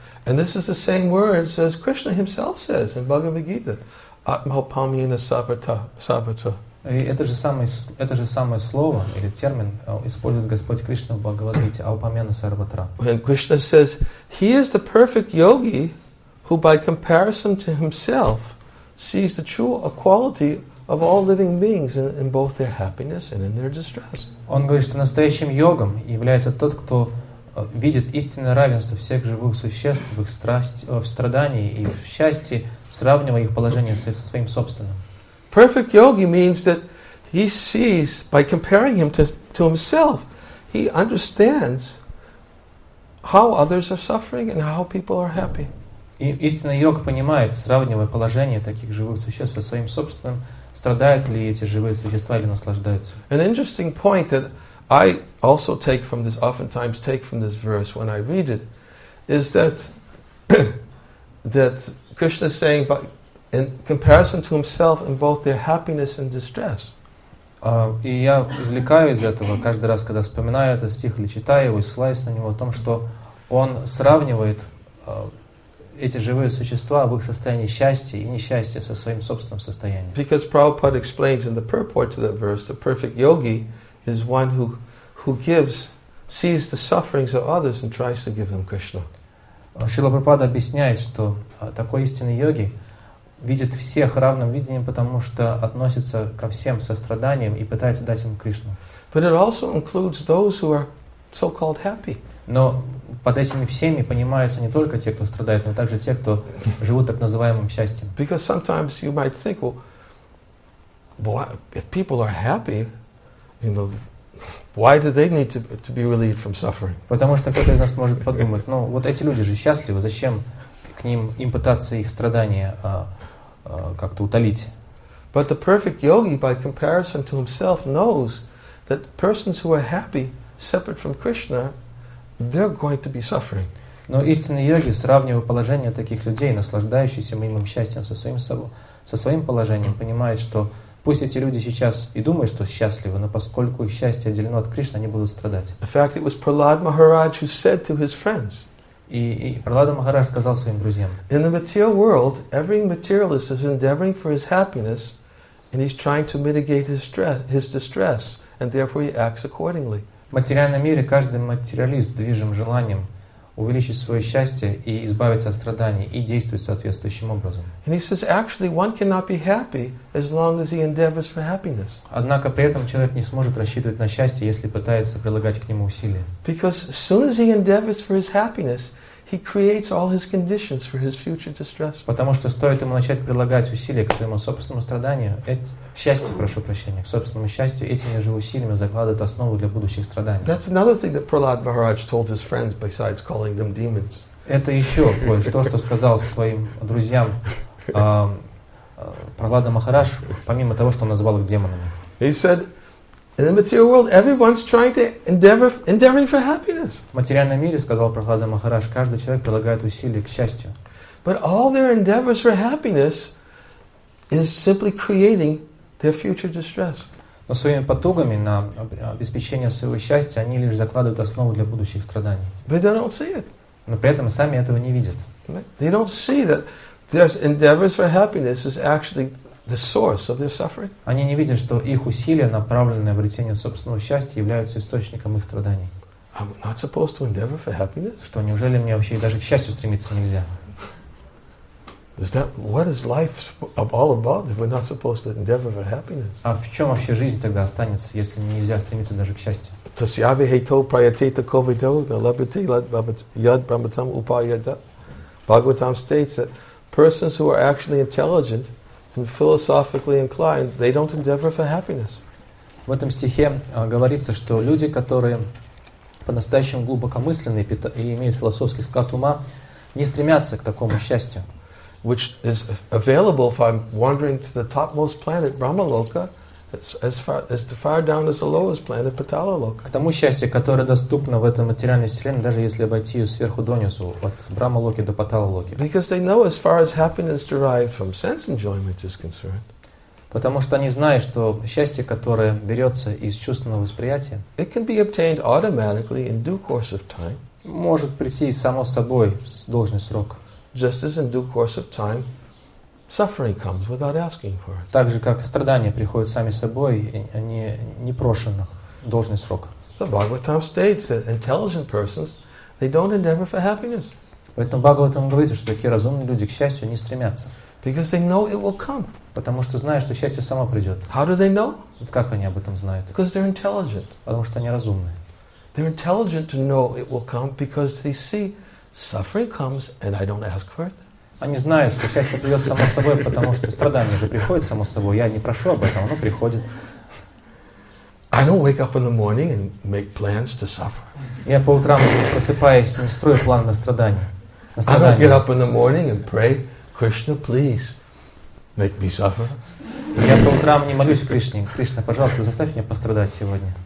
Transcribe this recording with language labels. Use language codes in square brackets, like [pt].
[en] And this is the same words as Krishna himself says in Bhagavad Gita. [sa] Atmapamena sarvatra. [ru] И это же самое слово или термин использует Господь Кришна в Бхагавад Гите [sa] Аупамена Сарватра. [en] And Krishna says, he is the perfect yogi who by comparison to himself sees the true equality of all living beings in both their happiness and in their distress. [ru] Он говорит, что настоящим йогом является тот, кто видит истинное равенство всех живых существ в их страдании и в счастье, сравнивая их положение со своим собственным. [en] Perfect yogi means that he sees, by comparing him to himself, he understands how others are suffering and how people are happy. [ru] Истинный йог понимает, сравнивая положение таких живых существ со своим собственным, страдают ли эти живые существа или наслаждаются. [en] An interesting point that I also take from this, oftentimes take from this verse when I read it, is that that Krishna is saying, but in comparison to himself in both their happiness and distress. [ru] И я извлекаю из этого каждый раз, когда вспоминаю этот стих или читаю его, ссылаюсь на него, о том, что он сравнивает эти живые существа в их состоянии счастья и несчастья со своим собственным состоянием. [en] Because Prabhupada explains in the purport to that verse, the perfect yogi is one who gives, sees the sufferings of others and tries to give them Krishna. [ru] Шрила Прабхупада объясняет, что такой истинный йоги видит всех равным видением, потому что относится ко всем состраданием и пытается дать им Кришну. [en] But it also includes those who are so-called happy. [ru] Но под этими всеми понимаются не только те, кто страдает, но также те, кто живут так называемым счастьем. [en] Because sometimes you might think, well, why, if people are happy, you know, why do they need to be relieved from suffering? [ru] Потому что кто-то из нас может подумать, ну вот эти люди же счастливы, зачем к ним им пытаться их страдания как-то утолить. [en] But the perfect yogi, by comparison to himself, knows that persons who are happy, separate from Krishna, they're going to be suffering. [ru] Но истинный йоги, сравнивая положение таких людей, наслаждающихся моим счастьем со своим положением, понимает, что пусть эти люди сейчас и думают, что счастливы, но поскольку их счастье отделено от Кришны, они будут страдать. [en] In fact, it was Prahlad Maharaj who said to his friends. [ru] И Прахлада Махарадж сказал своим друзьям: [en] In the material world, every materialist is endeavoring for his happiness, and he's trying to mitigate his distress, and therefore he acts accordingly. [ru] В материальном мире каждый материалист движим желанием увеличить свое счастье и избавиться от страданий и действует соответствующим образом. [en] And he says, actually, one cannot be happy as long as he endeavors for happiness. [ru] Однако при этом человек не сможет рассчитывать на счастье, если пытается прилагать к нему усилия. [en] Because as soon as he endeavors for his happiness, he creates all his conditions for his future distress. [ru] Потому что стоит ему начать прилагать усилия к своему собственному страданию, к собственному счастью, этими же усилиями закладывает основу для будущих страданий. [en] That's another thing that Prahlad Maharaj told his friends besides calling them demons. [ru] Это еще кое-что, что сказал своим друзьям Прахлада Махарадж, помимо того, что он назвал их демонами. [en] He said, In the material world, everyone's trying to endeavoring for happiness. [ru] В материальном мире, сказал Прахлада Махарадж, каждый человек прилагает усилия к счастью. [en] But all their endeavors for happiness is simply creating their future distress. [ru] Но своими потугами на обеспечение своего счастья они лишь закладывают основу для будущих страданий. [en] But they don't see it. [ru] Но при этом сами этого не видят. [en] They don't see that their endeavors for happiness is actually The source of their suffering. [ru] Они не видят, что их усилия, направленные на обретение собственного счастья, являются источником их страданий. [en] I'm not supposed to endeavor for happiness? [ru] Что, неужели мне вообще даже к счастью стремиться нельзя? [en] Is that what is life all about if we're not supposed to endeavor for happiness? [ru] А в чем вообще жизнь тогда останется, если нельзя стремиться даже к счастью? [sa] Tasyavi heto prayateta kovido labhate yad brahmatam upayata. [en] Bhagavatam states that persons who are actually intelligent And philosophically inclined, they don't endeavor for happiness. [ru] В этом стихе говорится, что люди, которые по-настоящему глубокомысленны и имеют философский склад ума, не стремятся к такому счастью. [en] Which is available if I'm wandering to the topmost planet, Brahmaloka, as far down as the lowest planet, Patalaloka. [ru] К тому счастью, которое доступно в этом материальной вселенной, даже если обойти ее сверху донизу, от Брамалоки до Паталалоки. [en] Because they know as far as happiness derived from sense enjoyment is concerned. [ru] Потому что они знают, что счастье, которое берется из чувственного восприятия, [en] it can be obtained automatically in due course of time. [ru] Может прийти само собой в должный срок. [en] Just as in due course of time. Suffering comes without asking for it. [ru] Так же, как страдания приходят сами собой, они непрошенно, должный срок. [en] So Bhagavatam states that intelligent persons, they don't endeavor for happiness. [ru] Поэтому Бхагаватам говорит, что такие разумные люди к счастью не стремятся. [en] Because they know it will come. [ru] Потому что знают, что счастье само придет. [en] How do they know? [ru] Вот как они об этом знают? [en] Because they're intelligent. [ru] Потому что они разумные. [en] They're intelligent to know it will come because they see suffering comes and I don't ask for it. [ru] Они знают, что счастье придет само собой, потому что страдание же приходит само собой. Я не прошу об этом, оно приходит. [en] I don't wake up in the morning and make plans to suffer. [ru] Я по утрам, просыпаясь, не строю план на страдание. [en] I don't get up in the morning and pray, Krishna, please, make me suffer. [ru] Я по утрам не молюсь Кришне. Кришна, пожалуйста, заставь меня пострадать сегодня.